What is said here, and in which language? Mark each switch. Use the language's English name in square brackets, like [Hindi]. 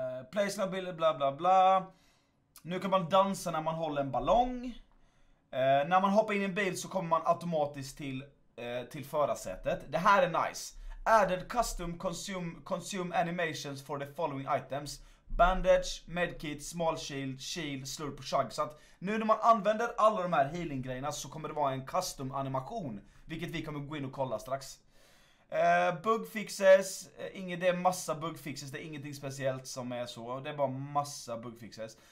[English] Place no ability, [Swedish] bla bla bla. Nu kan man dansa när man håller en ballong. När man hoppar in i en bil så kommer man automatiskt till förarsätet. Det här är nice. [English] Added custom consume animations for the following items. Bandage, medkit, small shield, slurp [Swedish] och [English] chug. [Swedish] Så att nu när man använder alla de här healing grejerna så kommer det vara en custom animation, vilket vi kommer gå in och kolla strax. Bugfixes, det är massa bugfixes, det är ingenting speciellt som är så, det är bara massa bugfixes.